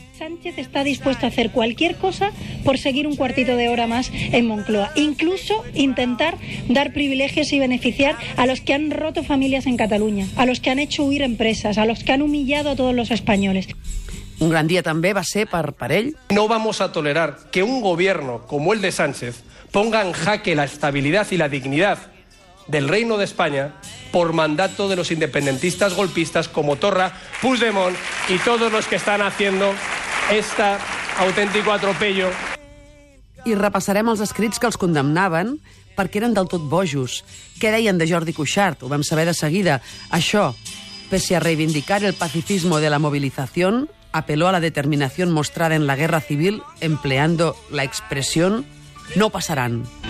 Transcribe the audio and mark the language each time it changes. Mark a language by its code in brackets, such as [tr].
[es] Sánchez está dispuesto a hacer cualquier cosa por seguir un cuartito de hora más en Moncloa. Incluso intentar dar privilegios y beneficiar a los que han roto familias en Cataluña, a los que han hecho huir empresas, a los que han humillado a todos los españoles. [ca] Un gran dia també va ser per ell. [es] No vamos a tolerar que un gobierno como el de Sánchez ponga en jaque la estabilidad y la dignidad del Reino de España por mandato de los independentistas golpistas como Torra, Puigdemont y todos los que están haciendo este auténtico atropello. [ca] I repassarem els escrits que els condemnaven perquè eren del tot bojos. Què deien de Jordi Cuixart? Ho vam saber de seguida. [es] Això, pese a reivindicar el pacifismo de la movilización, apeló a la determinación mostrada en la guerra civil empleando la expresión "no pasarán".